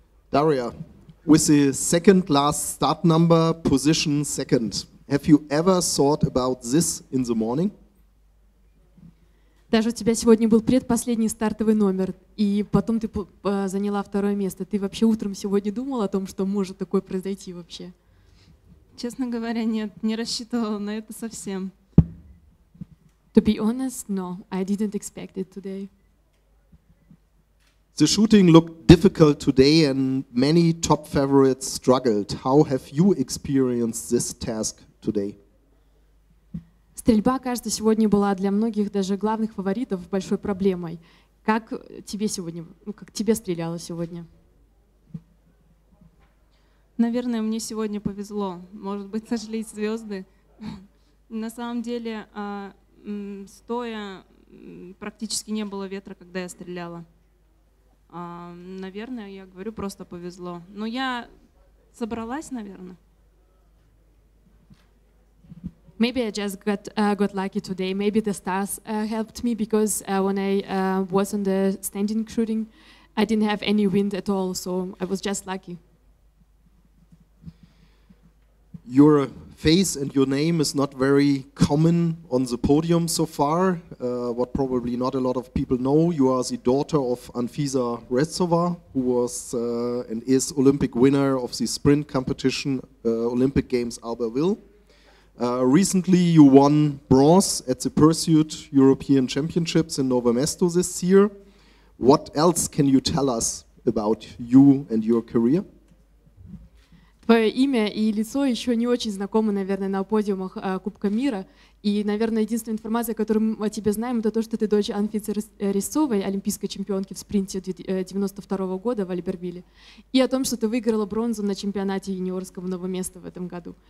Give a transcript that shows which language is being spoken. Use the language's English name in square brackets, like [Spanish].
[English] Daria, with the second last start number, position second, have you ever thought about this in the morning? [Russian] Даже у тебя сегодня был предпоследний стартовый номер, и потом ты заняла второе место. Ты вообще утром сегодня думала о том, что может такое произойти вообще? Честно говоря, нет, не рассчитывала на это совсем. To be honest, no, I didn't expect it today. [English] The shooting looked difficult today and many top favorites struggled. How have you experienced this task today? [Russian] Стрельба, кажется, сегодня была для многих даже главных фаворитов большой проблемой. Как тебе сегодня, ну, как тебе стреляло сегодня? Наверное, мне сегодня повезло. Может быть, сошлись звезды. На самом деле, стоя, практически не было ветра, когда я стреляла. Наверное, я говорю, просто повезло. Но я собралась, наверное. [English] Maybe I just got lucky today. Maybe the stars helped me, because when I was on the standing shooting, I didn't have any wind at all, so I was just lucky. Your face and your name is not very common on the podium so far, what probably not a lot of people know. You are the daughter of Anfisa Retsova, who was and is Olympic winner of the sprint competition Olympic Games Albertville. Recently you won bronze at the Pursuit European Championships in Novo Mesto this year. What else can you tell us about you and your career? [Russian] Твое имя и лицо еще не очень знакомы, наверное, на подиумах Кубка мира. И, наверное, единственная информация, которую мы о тебе знаем, это то, что ты дочь Анфисы Ресовой, олимпийской чемпионки в спринте 92 года в Альбертвилле. И о том, что ты выиграла бронзу на чемпионате юниорского Нового Места в этом году.